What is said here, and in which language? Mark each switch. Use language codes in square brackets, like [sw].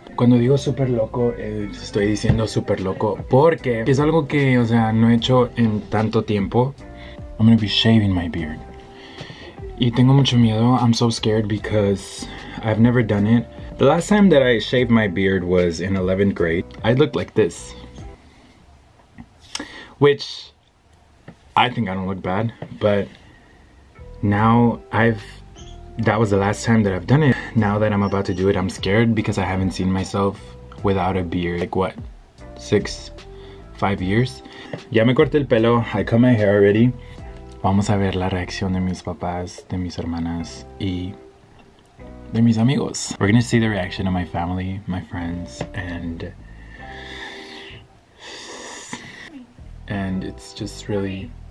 [es] Cuando digo super loco, estoy diciendo super loco porque es algo que, o sea, no he hecho en tanto tiempo. [en] I'm gonna be shaving my beard. [es] Y tengo mucho miedo. [en] I'm so scared because I've never done it. The last time that I shaved my beard was in 11th grade. I looked like this. Which, I think I don't look bad, but now that was the last time that I've done it. Now that I'm about to do it, I'm scared because I haven't seen myself without a beard. Like what, 5 years? [es] Ya me corté el pelo, [en] I cut my hair already. [es] Vamos a ver la reacción de mis papás, de mis hermanas, y de mis amigos. [en] We're gonna see the reaction of my family, my friends, and it's just really...